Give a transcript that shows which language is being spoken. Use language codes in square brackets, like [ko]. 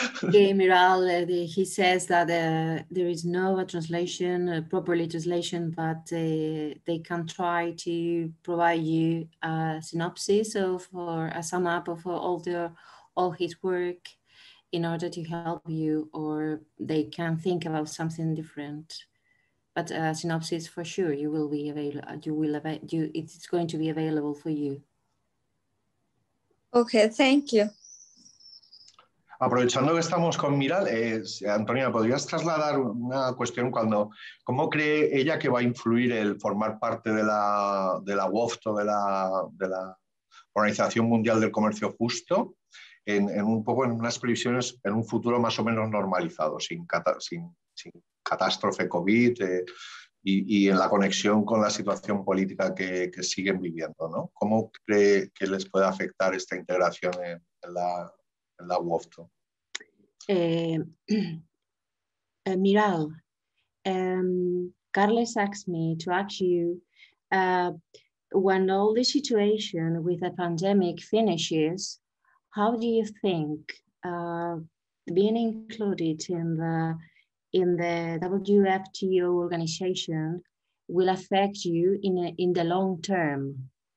[en] Miral, he says that there is no translation, a proper translation, but they can try to provide you a synopsis or a sum up of all his work in order to help you, or they can think about something different. But a synopsis, for sure, it's going to be available for you. Okay, thank you. [es] Aprovechando que estamos con Miral, Antonia, ¿podrías trasladar una cuestión? ¿Cómo cree ella que va a influir el formar parte de la WOFT o de la Organización Mundial del Comercio Justo en un poco en unas previsiones en un futuro más o menos normalizado, sin catástrofe COVID y en la conexión con la situación política que siguen viviendo, ¿no? ¿Cómo cree que les puede afectar esta integración en la WOFT? [en] Miral, Carles asked me to ask you, when all the situation with the pandemic finishes, how do you think being included in the WFTO organization will affect you in the long term?